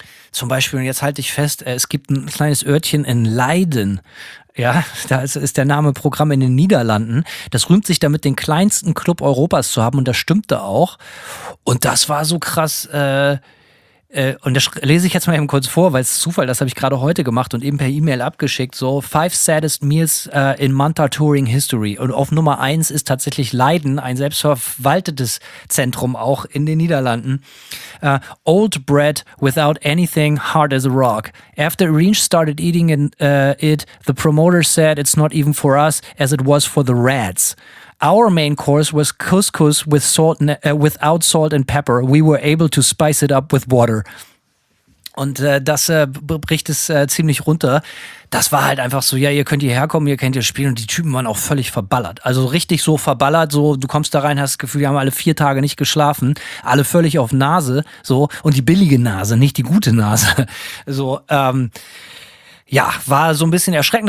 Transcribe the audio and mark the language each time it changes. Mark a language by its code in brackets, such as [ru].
[de] Zum Beispiel, und jetzt halte ich fest, es gibt ein kleines Örtchen in Leiden. Ja, da ist der Name Programm in den Niederlanden. Das rühmt sich damit, den kleinsten Club Europas zu haben. Und das stimmte auch. Und das war so krass. Und das lese ich jetzt mal eben kurz vor, weil es ist Zufall, das habe ich gerade heute gemacht und eben per E-Mail abgeschickt. [en] So, 5 saddest meals in Manta Touring History. [de] Und auf Nummer 1 ist tatsächlich Leiden, ein selbstverwaltetes Zentrum auch in den Niederlanden. [en] Old bread without anything, hard as a rock. After Arrange started eating it, the promoter said it's not even for us as it was for the rats. Our main course was couscous with salt, without salt and pepper. We were able to spice it up with water. [de] Und bricht es ziemlich runter. Das war halt einfach so, ja, ihr könnt hierher kommen, ihr könnt hier spielen. Und die Typen waren auch völlig verballert. Also richtig so verballert, so du kommst da rein, hast das Gefühl, die haben alle 4 Tage nicht geschlafen. Alle völlig auf Nase, so. Und die billige Nase, nicht die gute Nase. So, ja, war so ein bisschen erschreckend.